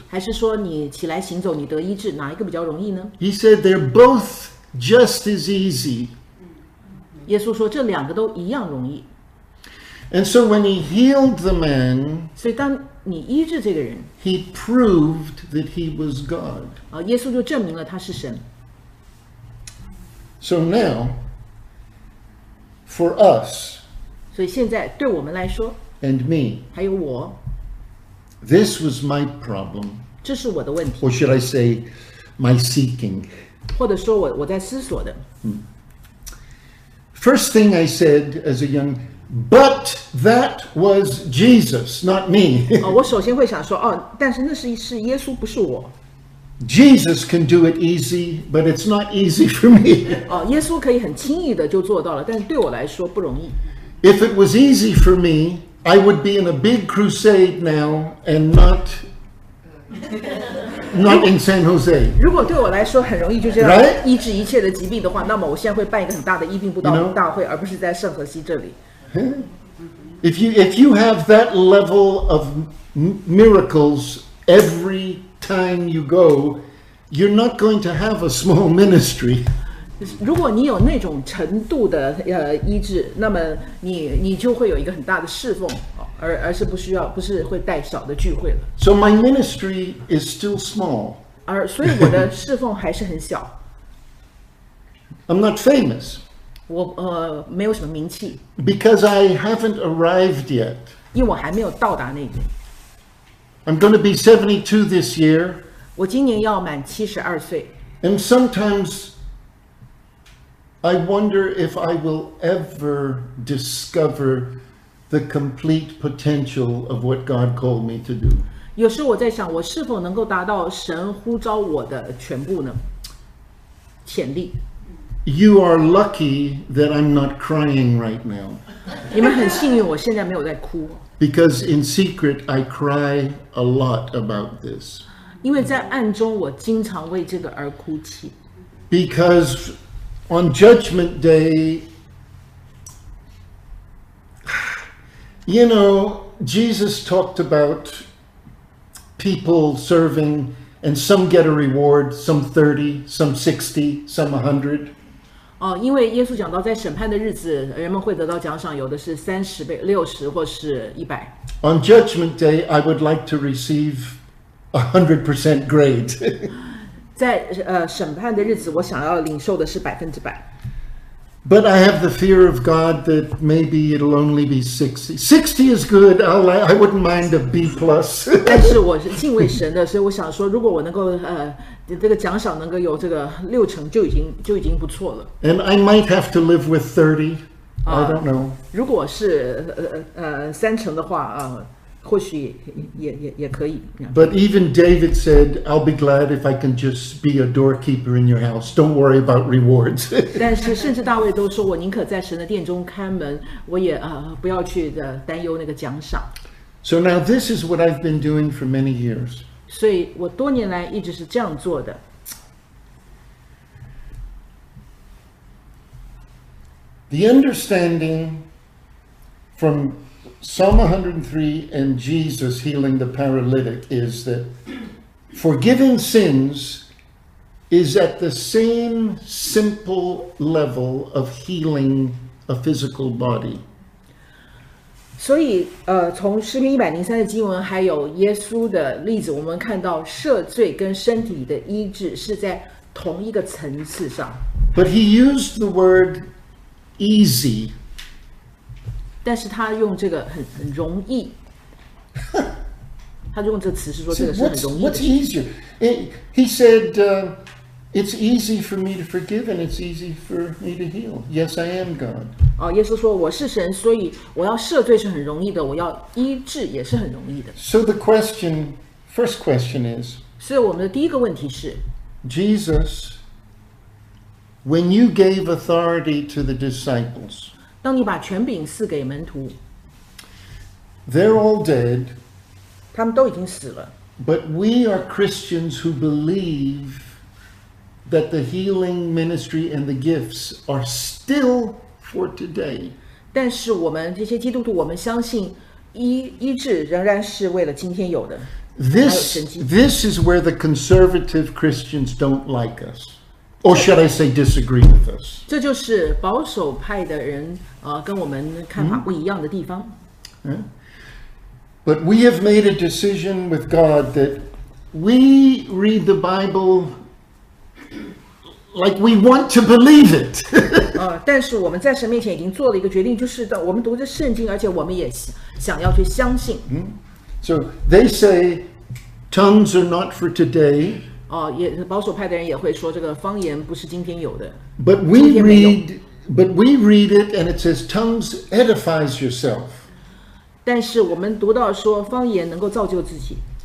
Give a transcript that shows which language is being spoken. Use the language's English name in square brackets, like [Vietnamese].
[Chinese] 还是说你起来行走，你得医治，哪一个比较容易呢？ [English] He said they're both just as easy. [Chinese] 耶稣说这两个都一样容易。 [English] And so when he healed the man, [Chinese] 所以当你医治这个人， [English] he proved that he was God. [Chinese] 耶稣就证明了他是神。 [English] So now, for us, [Chinese] 所以现在对我们来说 [English] and me, [Chinese] 还有我 [English] this was my problem, [Chinese] 这是我的问题 [English] or should I say, my seeking, [Chinese] 或者说 我在思索的 [English] First thing I said as a young, but that was Jesus, not me. [Chinese] 我首先会想说，哦，但是那是耶稣，不是我。 [English] Jesus can do it easy, but it's not easy for me. [Chinese] 耶稣可以很轻易的就做到了，但是对我来说不容易。 [English] If it was easy for me, I would be in a big crusade now and not in San Jose. [Chinese] 如果对我来说很容易就这样医治一切的疾病的话，那么我现在会办一个很大的医病布道大会，而不是在圣何西这里。 [English] If you have that level of miracles every time you go, you're not going to have a small ministry. [Chinese] 如果你有那种程度的医治，那么你就会有一个很大的侍奉，而是不需要，不是会带小的聚会了。 [English] So my ministry is still small. [Chinese] 所以我的侍奉还是很小。 [English] I'm not famous. [Chinese] 我没有什么名气。 [English] Because I haven't arrived yet. [Chinese] 因为我还没有到达那边。 [English] I'm going to be 72 this year. [Chinese] 我今年要满72岁。 [English] And sometimes I wonder if I will ever discover the complete potential of what God called me to do. [Chinese] 有时我在想，我是否能够达到神呼召我的全部呢？潜力。 [English] You are lucky that I'm not crying right now. [Chinese] 你们很幸运，我现在没有在哭。 [English] Because in secret, I cry a lot about this. [Chinese] 因为在暗中，我经常为这个而哭泣。 [English] Because on Judgment Day, you know, Jesus talked about people serving, and some get a reward, some 30, some 60, some 100. [Chinese] 因为耶稣讲到在审判的日子人们会得到奖赏有的是三十倍六十或是一百 [English] On judgment day I would like to receive 100% grade [Chinese] 在审判的日子我想要领受的是百分之百 [English] But I have the fear of God that maybe it'll only be 60 is good I wouldn't mind a B plus [Chinese] 但是我是敬畏神的所以我想说如果我能够这个奖赏能够有这个六成就已经不错了。 [English] And I might have to live with 30. I don't know. [Chinese] 如果是三成的话或许也可以。 [English] But even David said, I'll be glad if I can just be a doorkeeper in your house. Don't worry about rewards. [Chinese] 但是甚至大卫都说我宁可在神的殿中看门我也不要去担忧那个奖赏。 [English] So now this is what I've been doing for many years. [Chinese] 所以我多年来一直是这样做的。 [English] The understanding from Psalm 103 and Jesus healing the paralytic is that forgiving sins is at the same simple level of healing a physical body. [Chinese] 所以从诗篇103的经文还有耶稣的例子我们看到赦罪跟身体的医治是在同一个层次上 [English] But he used the word easy [Chinese] 但是他用这个很容易他就用这个词是说这个是很容易的。 [English] What's easier? He said, "It's easy for me to forgive, and it's easy for me to heal." Yes, I am God. [Chinese] 哦，耶稣说我是神，所以我要赦罪是很容易的，我要医治也是很容易的。 [English] So the question, first question is. [Chinese] 所以我们的第一个问题是 [English] Jesus, when you gave authority to the disciples. [Chinese] 当你把权柄赐给门徒。 [English] They're all dead. [Chinese] 他们都已经死了。 [English] But we are Christians who believe that the healing ministry and the gifts are still for today. [Chinese] 但是我们这些基督徒，我们相信医治仍然是为了今天有的。 [English] This is where the conservative Christians don't like us, or should I say, disagree with us. [Chinese] 这就是保守派的人跟我们看法不一样的地方。 [English] But we have made a decision with God that we read the Bible like we want to believe it. [Chinese] 但是我们在神面前已经做了一个决定，就是我们读着圣经，而且我们也想要去相信。 [English] So they say tongues are not for today. [Chinese] 也保守派的人也会说这个方言不是今天有的。 [English] But we read it and it says tongues edifies yourself. [Chinese] 但是我们读到说方言能够造就自己。